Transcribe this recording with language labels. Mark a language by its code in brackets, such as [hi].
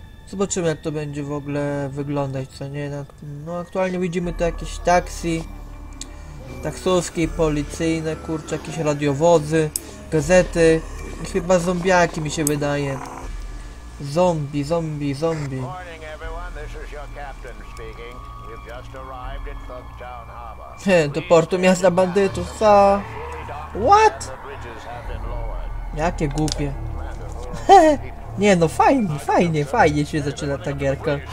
[pl] Zobaczymy, jak to będzie w ogóle wyglądać, co nie? No aktualnie widzimy tu jakieś taksi, taksówki, policyjne, kurczę, jakieś radiowozy, gazety, chyba zombiaki, mi się wydaje. Zombie. [en] Good morning, everyone. This is your captain speaking. We've just arrived in Thugtown Harbor. [pl] Do portu miasta bandytów, co? [en] What? [pl] Jakie głupie. Nie no, fajnie się zaczyna ta gierka.